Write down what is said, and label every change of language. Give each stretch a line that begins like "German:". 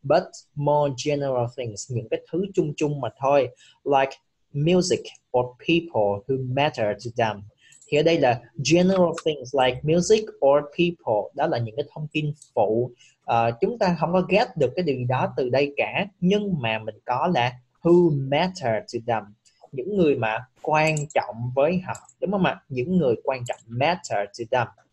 English: But more general things,
Vietnamese: những cái thứ chung chung mà thôi.
English: Like music or people who matter to them.
Vietnamese: Thì ở đây là
English: general things like music or people.
Vietnamese: Đó là những cái thông tin phụ. Chúng ta không có get được cái điều gì đó từ đây cả. Nhưng mà mình có là
English: who matter to them.
Vietnamese: Những người mà quan trọng với họ, đúng không ạ? Những người quan trọng,
English: matter to them.